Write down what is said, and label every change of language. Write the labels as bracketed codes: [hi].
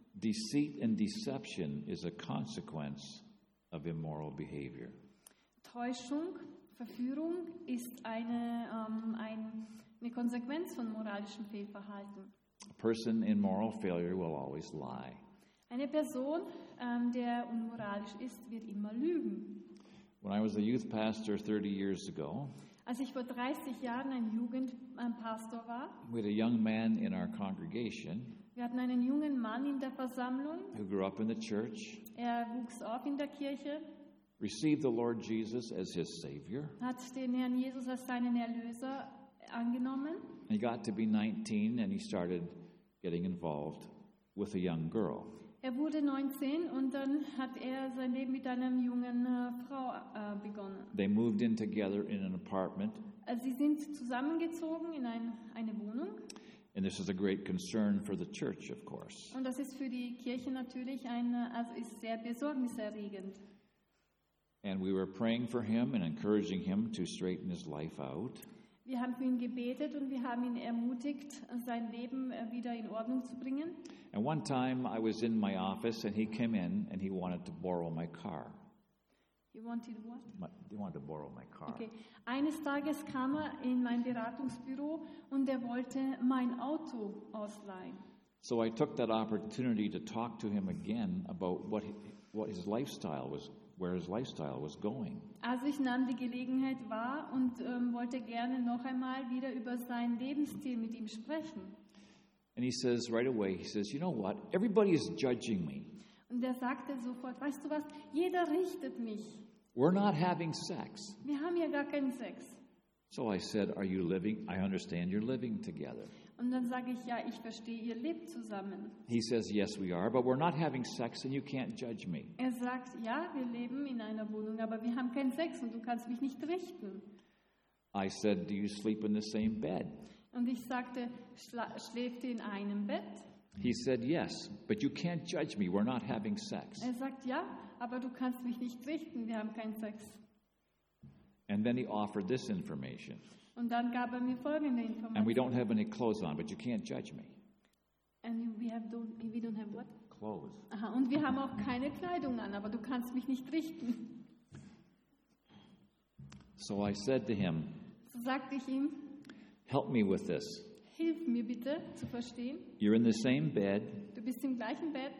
[en] deceit and deception is a consequence of immoral behavior. [de] Täuschung, Verführung ist eine Konsequenz von moralischem Fehlverhalten. [en] A person in moral failure will always lie. [de] Eine Person, der unmoralisch ist, wird immer lügen. [en] When I was a youth pastor 30 years ago, [de] als ich vor 30 Jahren ein Jugendpastor war, [en] with a young man in our congregation, [de] wir hatten einen jungen Mann in der Versammlung. [en] Who grew up in the church, [de] er wuchs auf in der Kirche. [en] Received the Lord Jesus as his Savior. [de] Hat den Herrn Jesus als seinen Erlöser angenommen. [en] He got to be 19 and he started getting involved with a young girl. [de] Er wurde 19 und dann hat er sein Leben mit einer jungen Frau begonnen. [en] They moved in together in an apartment. [de] Sie sind zusammengezogen in eine Wohnung. [en] And this is a great concern for the church, of course. [de] Und das ist für die Kirche natürlich eine, also ist sehr besorgniserregend. [en] And we were praying for him and encouraging him to straighten his life out. [de] Wir haben für ihn gebetet und wir haben ihn ermutigt, sein Leben wieder in Ordnung zu bringen. [en] And one time I was in my office and he came in and he wanted to borrow my car. He wanted what? He wanted to borrow my car. Okay. [de] Eines Tages kam er in mein Beratungsbüro und er wollte mein Auto ausleihen. [en] So I took that opportunity to talk to him again about what his lifestyle was, where his lifestyle was going. [de] Also ich nahm die Gelegenheit wahr und wollte gerne noch einmal wieder über seinen Lebensstil mit ihm sprechen. [en] And he says right away, he says, you know what? Everybody is judging me. [de] Und er sagte sofort, weißt du was? Jeder richtet mich. [en] We're not having sex. [de] Wir haben ja gar keinen Sex. [en] So I said, are you living? I understand you're living together. [de] Und dann sage ich, ja, ich verstehe, ihr lebt zusammen. [en] He says, yes, we are, but we're not having sex and you can't judge me. [de] Er sagt, ja, wir leben in einer Wohnung, aber wir haben keinen Sex und du kannst mich nicht richten. [en] I said, do you sleep in the same bed? [de] Und ich sagte, schläft ihr in einem Bett? [en] He said, yes, but you can't judge me, we're not having sex. [de] Er sagt, ja, aber du kannst mich nicht richten, wir haben keinen Sex. [en] And then he offered this information. [de] Und dann gab er mir folgende Information. [en] And we don't have any clothes on, but you can't judge me. And we don't have what? Clothes. [de] Aha, und wir haben auch keine Kleidung an, aber du kannst mich nicht richten. [en] So I said to him, [de] so sagte ich ihm, [en] help me with this. [de] Hilf mir bitte zu verstehen. [en] You're in the same bed. [de] Du bist im gleichen Bett.